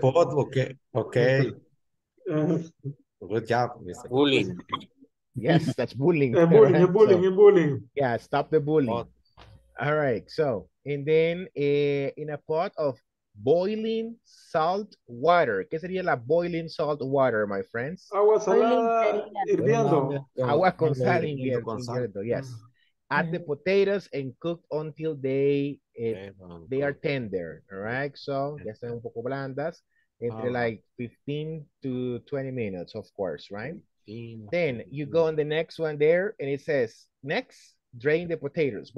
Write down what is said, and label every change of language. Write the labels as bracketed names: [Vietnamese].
[English] Pot. Okay. Okay. Good job, Mr. Bullying. Yes, that's bullying. bullying. Yeah, stop the bullying. Pot. All right. So, and then in a pot of boiling salt water. [Spanish] ¿Qué sería la [English] boiling salt water, my friends? [Spanish] Agua salada hirviendo. Agua con sal hirviendo. [English] Yes. Add the potatoes and cook until they are tender. All right. So, [Spanish] ya están un poco blandas. Entre [English] like 15 to 20 minutes, of course, right? Then you go on the next one there and it says, next, drain the potatoes.